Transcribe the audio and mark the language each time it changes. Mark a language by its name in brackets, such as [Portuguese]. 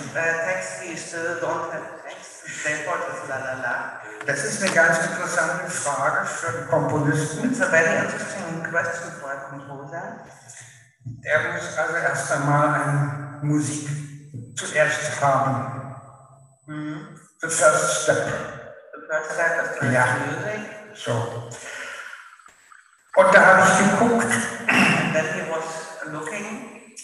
[German] Text, die ist dort im Text, Stellwort ist lalala. Das ist eine ganz interessante Frage für den Komponisten. [English] It's a very interesting question for a composer. [German] Er muss also erst einmal eine Musik zuerst haben. Mm-hmm. [English] The first step. The first step of the [German] ja. [English] Music. [German] So. Und da habe ich geguckt. [English] And then he was looking.